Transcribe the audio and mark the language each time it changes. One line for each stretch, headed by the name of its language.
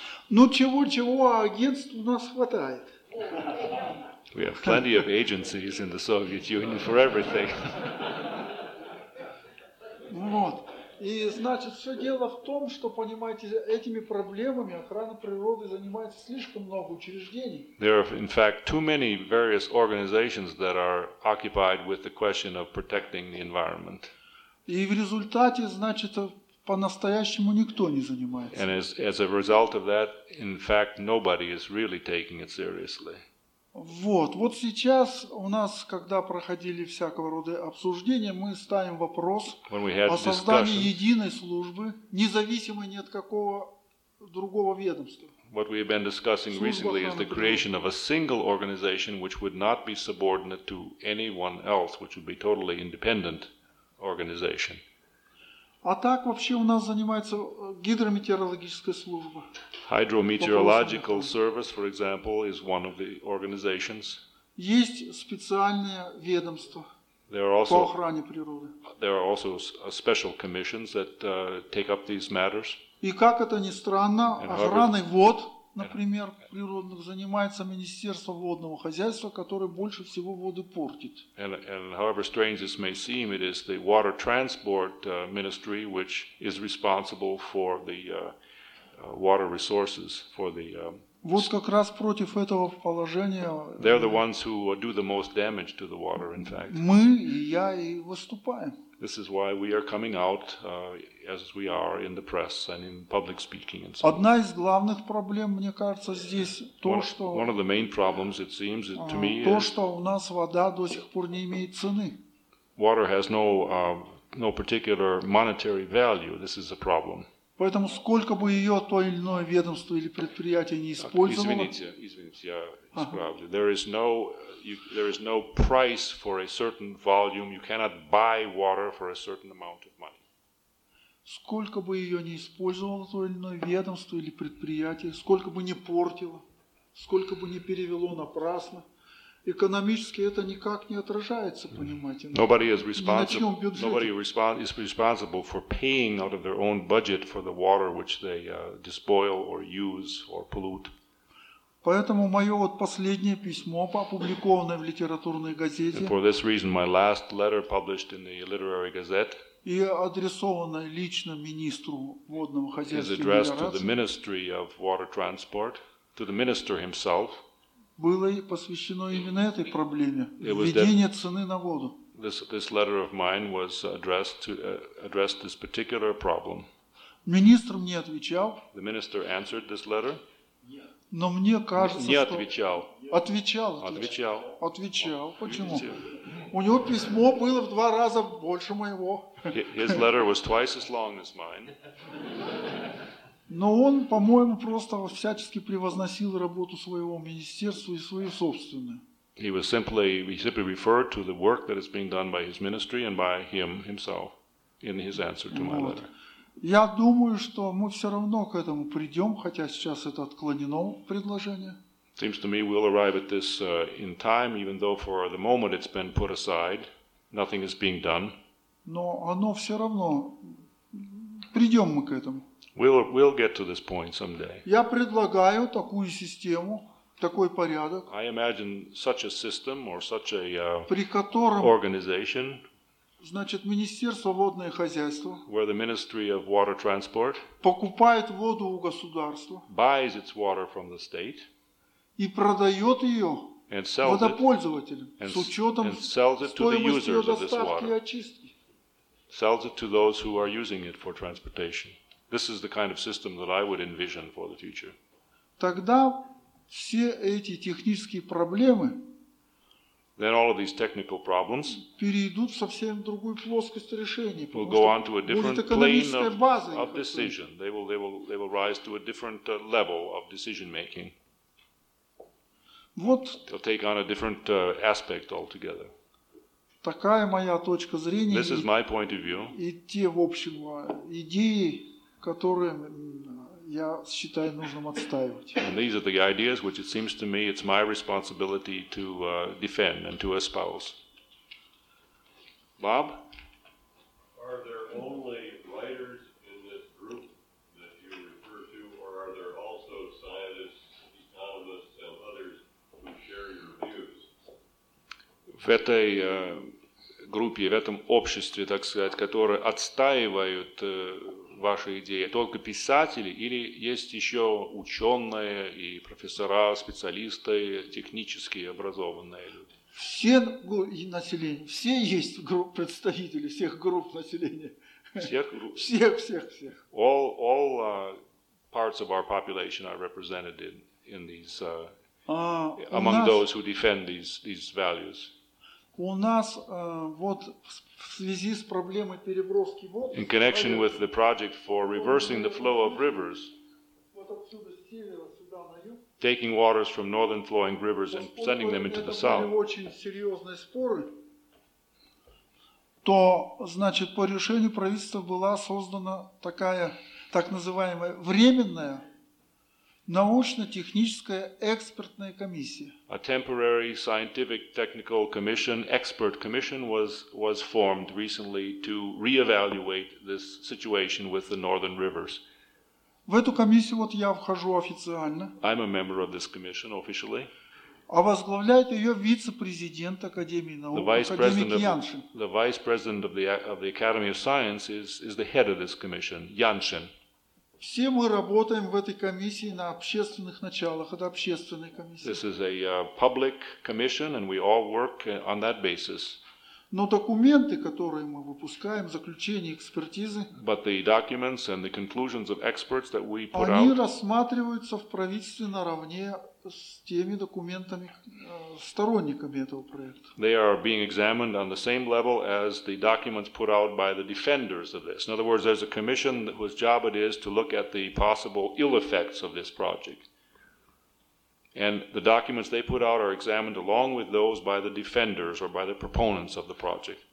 Russian: Ну, чего-чего, а агентств у нас хватает.
English: We have plenty of agencies in the Soviet Union for everything.
Russian: Вот. И, значит, все дело в том, что, понимаете, этими проблемами охрана природы занимается слишком много учреждений.
English: There are, in fact, too many various organizations that are occupied with the question of protecting the environment.
Russian: И в результате, значит, по-настоящему никто не занимается.
English: And as a result of that, in fact, nobody is really taking it seriously.
Russian: Вот. Вот сейчас у нас, когда проходили всякого рода обсуждения, мы ставим вопрос о создании единой службы, независимой ни от какого другого ведомства.
English: What we have been discussing recently is the creation of a single organization which would not be subordinate to anyone else, which would be totally independent organization.
Russian: А так вообще у нас занимается гидрометеорологическая служба.
English: Hydrometeorological service, for example, is one of the organizations.
Russian: Есть специальное ведомство
English: also,
Russian: по охране природы.
English: There are also special commissions that take up these matters.
Russian: И как это ни странно, охраной вод, например, природных занимается Министерство водного хозяйства, которое больше всего воды портит.
English: And however strange this may seem, it is the water transport ministry which is responsible for the water resources for the.
Russian: Вот как раз против этого положения.
English: They're the ones who do the most damage to the water, in fact.
Russian: Мы и я и выступаем.
English: This is why we are coming out as we are in the press and in public speaking and so on.
Russian: Одна из главных проблем, мне кажется, здесь то, что
English: One of the main problems, it seems to me,
Russian: то, что у нас вода до сих пор не имеет цены.
English: Water has no particular monetary value. This is a problem.
Russian: Поэтому сколько бы ее то или иное ведомство или предприятие не использовало. Извините, я исправлю.
English: There is no price for a certain volume. You cannot buy water for a certain amount of money.
Russian: Сколько бы ее не использовало то или иное ведомство или предприятие, сколько бы не портило, сколько бы не перевело напрасно, экономически это никак не отражается, понимаете?
English: Nobody is responsible. Nobody is responsible for paying out of their own budget for the water which they despoil or use or pollute.
Russian: Поэтому мое вот последнее письмо, опубликованное в литературной газете.
English: And for this reason, my last letter published in the literary gazette.
Russian: И адресованное лично министру водного хозяйства.
English: Is addressed to the Ministry of Water Transport, to the minister himself.
Russian: Было посвящено именно этой проблеме, введение цены на воду.
English: This letter of mine was addressed this particular problem.
Russian: Министр мне отвечал.
English: The minister answered this letter.
Russian: Но мне кажется, не отвечал. Что... Отвечал. Отвечал. Почему? У него письмо было в два раза больше моего.
English: His letter was twice as long as mine.
Russian: Но он, по-моему, просто всячески превозносил работу своего министерства и свою собственную.
English: He simply referred to the work that is being done by his ministry and by him himself in his answer to my letter.
Russian: Я думаю, что мы все равно к этому придем, хотя сейчас это отклонено предложение.
English: Seems to me we'll arrive at this in time, even though for the moment it's been put aside. Nothing is being done.
Russian: Но оно все равно. Придем мы к этому.
English: We'll get to this point someday.
Russian: Я предлагаю такую систему, такой порядок.
English: I imagine such a system or such a
Russian: при котором
English: organization.
Russian: Значит, Министерство водного хозяйства
English: where the Ministry of Water Transport
Russian: покупает воду у государства
English: buys its water from the state
Russian: и продает ее
English: and sells
Russian: водопользователям
English: it,
Russian: с учетом
English: and sells it
Russian: стоимости
English: to the users
Russian: ее доставки
English: of this water,
Russian: и очистки.
English: Sells it to those who are using it for transportation. This is the kind of system that I would envision for the future.
Russian: Тогда все эти технические проблемы
English: then all of these technical problems
Russian: перейдут в совсем другую плоскость решения,
English: will go on to a different plane of decision. They will rise to a different level of decision making.
Russian: Вот,
English: they'll take on a different aspect altogether.
Russian: Такая моя точка зрения.
English: This is my point of view.
Russian: И те, в общем, идеи, которые я считаю нужным отстаивать.
English: And these are the ideas which it seems to me it's my responsibility to defend and to espouse. Bob? Are there only writers in this group that you refer to, or are there also scientists, economists, and others who share your views?
Russian: В этой группе, в этом обществе, так сказать, которые отстаивают ваши идеи, только писатели или есть еще ученые и профессора, специалисты, технические, образованные люди? Все население, все есть групп, представители всех групп населения. Всех групп? Всех.
English: All parts of our population are represented in these, among those who defend these values.
Russian: У нас вот в связи с проблемой переброски вод.
English: In connection with the project for reversing the flow of rivers.
Russian: Вот отсюда с севера сюда на юг.
English: Taking waters from northern flowing rivers and sending them into the south.
Russian: Это были очень серьезные споры. То, значит, по решению правительства была создана такая так называемая временная научно-техническая экспертная комиссия.
English: A temporary scientific technical commission, expert commission, was formed recently to reevaluate this situation with the northern rivers.
Russian: В эту комиссию вот я вхожу официально.
English: I'm a member of this commission officially.
Russian: А возглавляет ее вице-президент Академии наук, академик Яншин.
English: The vice president of the Academy of Science is the head of this commission, Яншин.
Russian: Все мы работаем в этой комиссии на общественных началах. Это общественная комиссия.
English: This is a public commission, and we all work on that basis.
Russian: Но документы, которые мы выпускаем, заключения экспертизы,
English: but the documents and the conclusions of experts that we put
Russian: они
English: out,
Russian: рассматриваются в правительстве наравне с теми документами, сторонниками этого проекта.
English: They are being examined on the same level as the documents put out by the defenders of this. In other words, there's a commission whose job it is to look at the possible ill effects of this project. And the documents they put out are examined along with those by the defenders or by the proponents of the project.